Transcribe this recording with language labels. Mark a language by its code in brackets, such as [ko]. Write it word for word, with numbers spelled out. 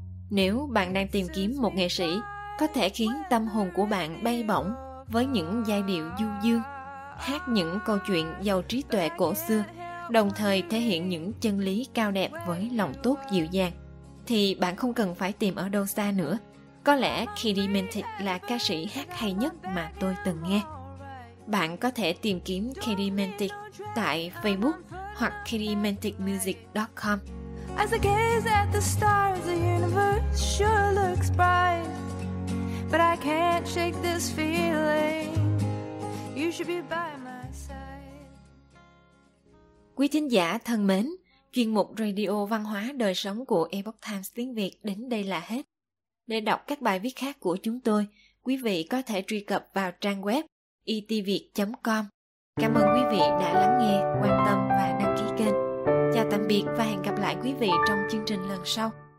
[vi] Nếu bạn đang tìm kiếm một nghệ sĩ có thể khiến tâm hồn của bạn bay bổng với những giai điệu du dương, hát những câu chuyện giàu trí tuệ cổ xưa, đồng thời thể hiện những chân lý cao đẹp với lòng tốt dịu dàng, thì bạn không cần phải tìm ở đâu xa nữa. Có lẽ Katy Mintic là ca sĩ hát hay nhất mà tôi từng nghe. Bạn có thể tìm kiếm Katy Mintic tại Facebook hoặc katy mintic music dot com. [en] As I gaze at the stars, the universe sure looks bright, but I can't shake this feeling. You should be by my side. [vi] Quý thính giả thân mến, chuyên mục Radio Văn hóa Đời Sống của Epoch Times tiếng Việt đến đây là hết. Để đọc các bài viết khác của chúng tôi, quý vị có thể truy cập vào trang web i t viet chấm com. Cảm ơn quý vị đã lắng nghe, quan tâm và đăng ký kênh. Chào tạm biệt và hẹn gặp lại quý vị trong chương trình lần sau.